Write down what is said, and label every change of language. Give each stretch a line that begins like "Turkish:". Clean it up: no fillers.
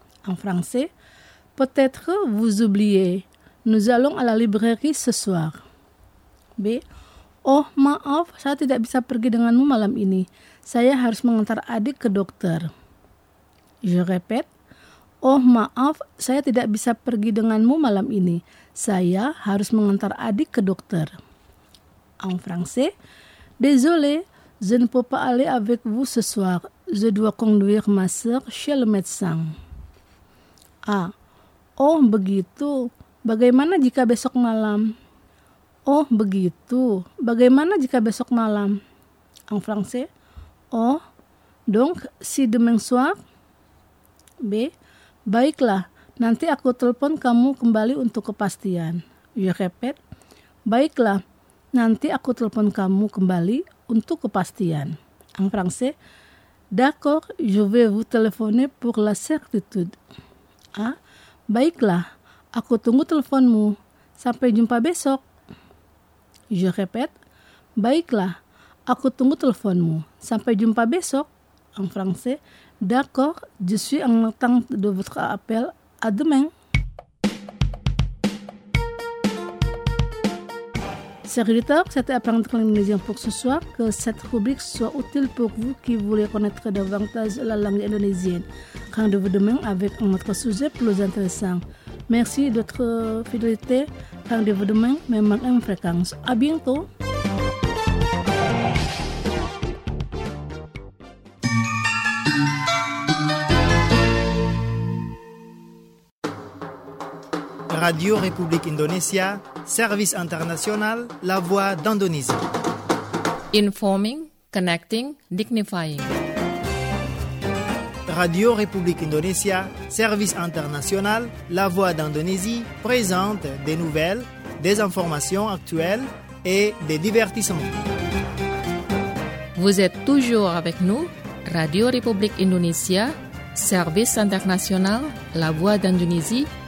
French: En français, peut-être vous oubliez. Nous allons à la librairie ce soir. B.
Indonesian: Oh, maaf, saya tidak bisa pergi denganmu malam ini. Saya harus mengantar adik ke dokter.
French: Je répète.
Indonesian: Oh, maaf, saya tidak bisa pergi denganmu malam ini. Saya harus mengantar adik ke dokter.
French: En français. Désolé, je ne peux pas aller avec vous ce soir. Je dois conduire ma sœur chez le médecin. A.
Indonesian: Oh begitu, bagaimana jika besok malam? Oh begitu, bagaimana jika besok malam?
French: En français, oh, donc si demain soir?
Indonesian: B, baiklah, nanti aku telepon kamu kembali untuk kepastian.
French: Je répète,
Indonesian: baiklah, nanti aku telepon kamu kembali untuk kepastian.
French: En français, d'accord, je vais vous téléphoner pour la certitude.
Indonesian: A, baiklah, aku tunggu teleponmu. Sampai jumpa besok.
French: Je répète.
Indonesian: Baiklah, aku tunggu teleponmu. Sampai jumpa besok.
French: En français. D'accord, je suis en attente de votre appel. À demain. Chers auditeurs, c'était Apprendre l'indonésien pour ce soir. Que cette rubrique soit utile pour vous qui voulez connaître davantage la langue indonésienne. Rendez-vous demain avec un autre sujet plus intéressant. Merci de votre fidélité. Rendez-vous demain, même en fréquence. À bientôt. Radio République Indonesia, Service International, La Voix d'Indonésie.
English: Informing, connecting, dignifying.
French: Radio République Indonesia, Service International, La Voix d'Indonésie présente des nouvelles, des informations actuelles et des divertissements. Vous êtes toujours avec nous, Radio République Indonesia, Service International, La Voix d'Indonésie.